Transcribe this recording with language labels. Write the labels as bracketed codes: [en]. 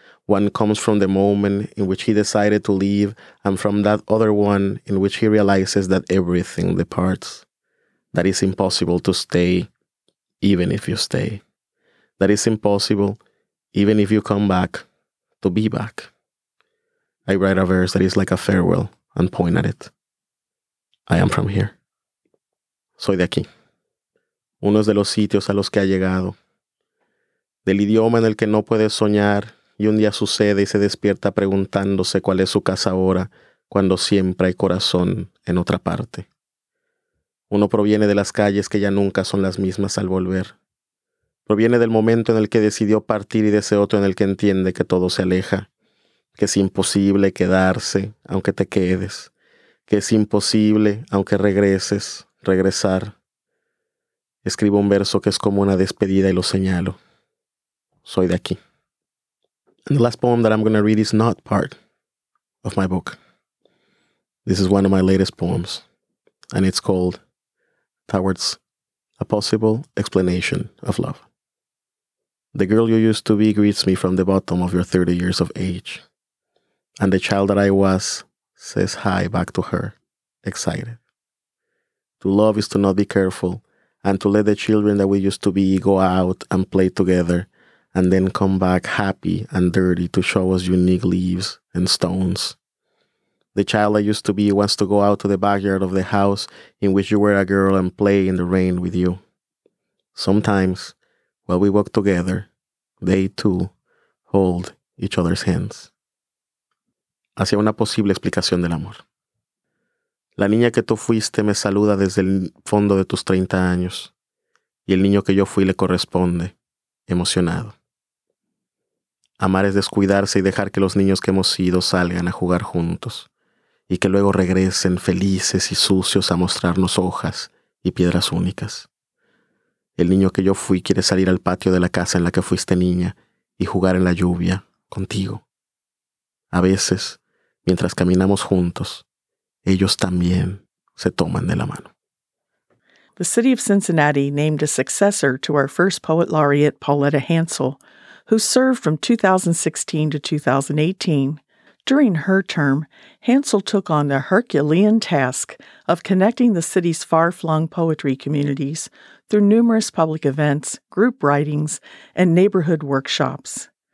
[en] One comes from the moment in which he decided to leave, and from that other one in which he realizes that everything departs, that it's impossible to stay, even if you stay, that it's impossible, even if you come back, to be back. I write a verse that is like a farewell and point at it. I am from here. [es] Soy de aquí. Uno es de los sitios a los que ha llegado. Del idioma en el que no puedes soñar, y un día sucede y se despierta preguntándose cuál es su casa ahora, cuando siempre hay corazón en otra parte. Uno proviene de las calles que ya nunca son las mismas al volver. Proviene del momento en el que decidió partir y de ese otro en el que entiende que todo se aleja, que es imposible quedarse aunque te quedes, que es imposible aunque regreses, regresar. Escribo un verso que es como una despedida y lo señalo. Soy de aquí. [en] And the last poem that I'm going to read is not part of my book. This is one of my latest poems, and it's called Towards a Possible Explanation of Love. The girl you used to be greets me from the bottom of your 30 years of age, and the child that I was says hi back to her, excited. To love is to not be careful, and to let the children that we used to be go out and play together, and then come back happy and dirty to show us unique leaves and stones. The child I used to be wants to go out to the backyard of the house in which you were a girl and play in the rain with you. Sometimes, while we walk together, they too hold each other's hands. [es] Hacia una posible explicación del amor. La niña que tú fuiste me saluda desde el fondo de tus 30 años, y el niño que yo fui le corresponde, emocionado. Amar es descuidarse y dejar que los niños que hemos sido salgan a jugar juntos y que luego regresen felices y sucios a mostrarnos hojas y piedras únicas. El niño que yo fui quiere salir al patio de la casa en la que fuiste niña y jugar en la lluvia contigo. A veces, mientras caminamos juntos, ellos también se toman de la mano. [en] The city of Cincinnati named a successor to our first poet laureate, Pauletta Hansel, who served from 2016 to 2018. During her term, Hansel took on the Herculean task of connecting the city's far-flung poetry communities through numerous public events, group writings, and neighborhood workshops.